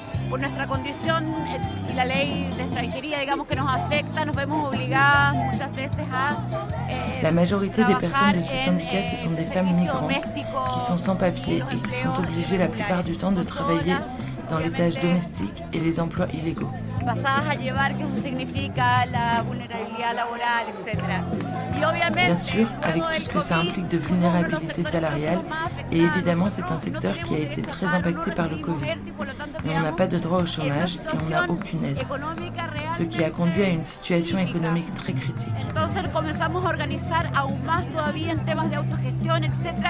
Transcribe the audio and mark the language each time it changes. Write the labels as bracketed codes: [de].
[es] Por nuestra condición y la ley de extranjería, digamos que nos afecta, nos vemos obligadas muchas veces a. La mayoría de personas de [fr] ce syndicat ce sont des femmes migrantes qui sont sans papiers et qui sont obligées la plupart du temps de travailler dans les tâches domestiques et les emplois illégaux. [es] Pasadas a llevar, que eso significa la vulnerabilidad laboral, etc. [fr] Bien sûr, avec tout ce que ça implique de vulnérabilité salariale, et évidemment c'est un secteur qui a été très impacté par le Covid. Mais on n'a pas de droit au chômage et on n'a aucune aide, ce qui a conduit à une situation économique très critique. Donc, nous commençons à organiser encore plus encore en termes d'autogestion, etc.